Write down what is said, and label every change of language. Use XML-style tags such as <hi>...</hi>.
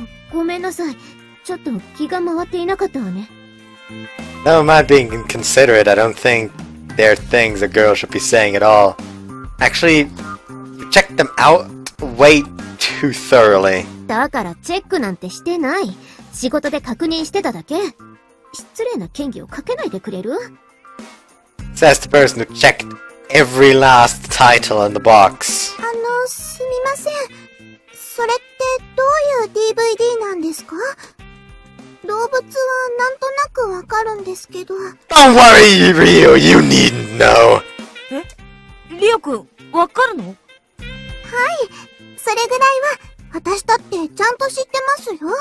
<ja>あの、人が食事してる時にそういう話題はあまりしないでほしいな。ごめんなさい。ちょっと気が回っていなかったわね。</ja> <en>Never mind being inconsiderate, I don't think they're things a girl should be saying at all. Actually, check them out way too thoroughly.</en> <ja>だからチェックなんてしてない。仕事で確認してただけ。失礼な嫌疑をかけないでくれる？</ja> <en>Says the person who checked every last title in the box.</en> <ja>あの、すみません。それってどういうDVDなんですか？動物はなんとなくわかるんですけど。</ja> <en>Don't worry, Ryo, you needn't know.</en> <ja>え？リオ君、わかるの？はい、それぐらいは私だってちゃんと知ってますよ。</ja>